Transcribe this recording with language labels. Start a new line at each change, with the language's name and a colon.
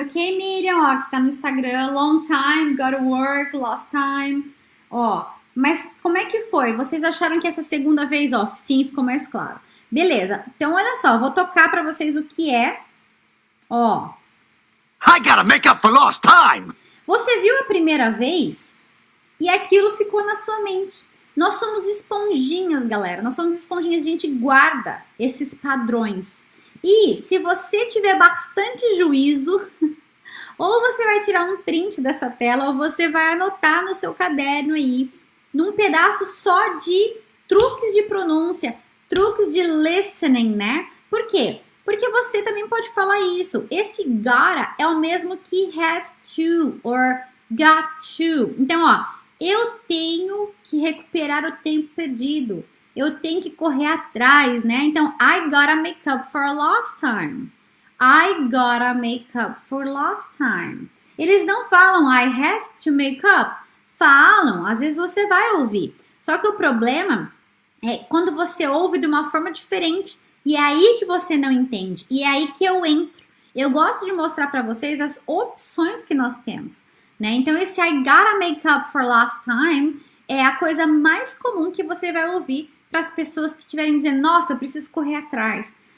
Portuguese: Ok, Miriam, ó, que tá no Instagram.
English: Long time, gotta work, lost time.
Portuguese: Ó, mas como é que foi? Vocês acharam que essa segunda vez, ó, sim, ficou mais claro. Beleza, então olha só, vou tocar pra vocês o que é. Ó.
English: I gotta make up for lost time.
Portuguese: Você viu a primeira vez e aquilo ficou na sua mente. Nós somos esponjinhas, galera. Nós somos esponjinhas, a gente guarda esses padrões. E se você tiver bastante juízo, ou você vai tirar um print dessa tela, ou você vai anotar no seu caderno aí, num pedaço só de truques de pronúncia, truques de listening, né? Por quê? Porque você também pode falar isso. Esse gotta é o mesmo que
English: have to or got to.
Portuguese: Então, ó, eu tenho que recuperar o tempo perdido. Eu tenho que correr atrás, né?
English: Então, I gotta make up for lost time. I gotta make up for lost time.
Portuguese: Eles não falam
English: I have to make up.
Portuguese: Falam, às vezes você vai ouvir. Só que o problema é quando você ouve de uma forma diferente. E é aí que você não entende. E é aí que eu entro. Eu gosto de mostrar para vocês as opções que nós temos, né? Então, esse
English: I gotta make up for last time
Portuguese: é a coisa mais comum que você vai ouvir para as pessoas que estiverem dizendo: nossa, eu preciso correr atrás.